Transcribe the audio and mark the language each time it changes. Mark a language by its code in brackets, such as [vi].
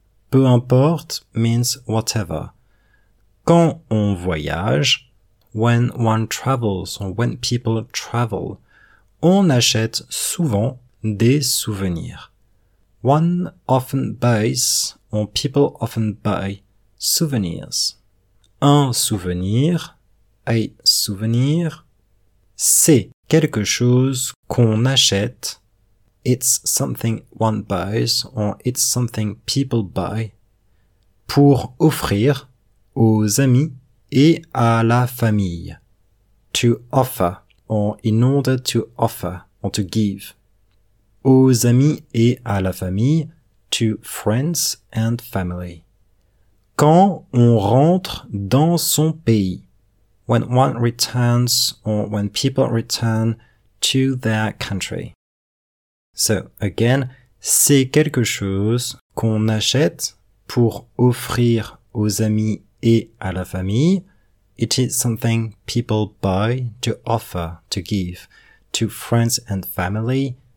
[fr] Peu importe means whatever. Quand on voyage, [en] when one travels or when people travel, [fr] on achète souvent des souvenirs. [en] One often buys, or people often buy, souvenirs. [fr] Un souvenir, [en] a souvenir, [fr] c'est quelque chose qu'on achète. [en] It's something one buys, or it's something people buy, [fr] pour offrir aux amis et à la famille. [en] To offer, or in order to offer, or to give. [fr] Aux amis et à la famille, [en] to friends and family. [fr] Quand on rentre dans son pays, [en] when one returns or when people return to their country. So again, [fr] c'est quelque chose qu'on achète pour offrir aux amis et à la famille. [en] It is something people buy to offer, to give to friends and family.